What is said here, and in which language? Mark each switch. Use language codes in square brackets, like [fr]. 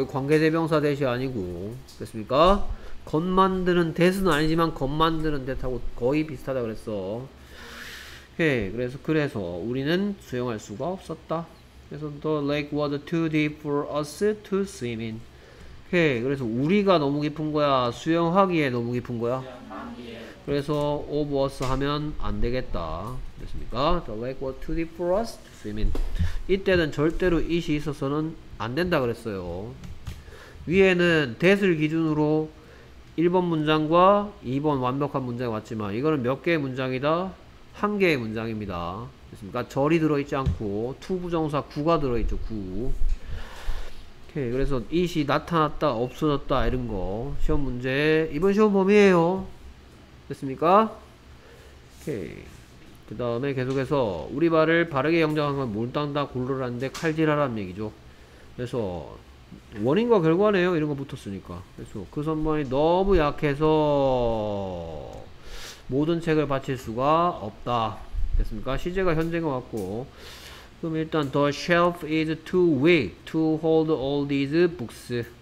[ko] 여기 관계대명사 that이 아니고 됐습니까? 겉 만드는 that은 아니지만 겉 만드는 that하고 거의 비슷하다 그랬어. 오케이. 그래서 우리는 수영할 수가 없었다. 그래서 [en] the lake was too deep for us to swim in. [ko] 오케이. 그래서 우리가 너무 깊은 거야? 수영하기에 너무 깊은 거야? 그래서 [en] of us [ko] 하면 안 되겠다. 됐습니까? [en] The lake was too deep for us to swim in. [ko] 이때는 절대로 it이 있어서는 안 된다 그랬어요. 위에는 that을 기준으로 1번 문장과 2번 완벽한 문장이 왔지만 이거는 몇 개의 문장이다? 한 개의 문장입니다. 됐습니까? 절이 들어있지 않고 to 부정사 구가 들어있죠. 구. 오케이. 그래서 it이 나타났다 없어졌다 이런 거 시험 문제 이번 시험 범위에요. 됐습니까? 오케이. 그 다음에 계속해서 우리 발을 바르게 영장한 건 몰당다 골로라는데 칼질하라는 얘기죠. 그래서 원인과 결과네요. 이런 거 붙었으니까. 그래서 그 선반이 너무 약해서 모든 책을 바칠 수가 없다. 됐습니까? 시제가 현재인 것 같고. 그럼 일단 [en] the shelf is too weak to hold all these books.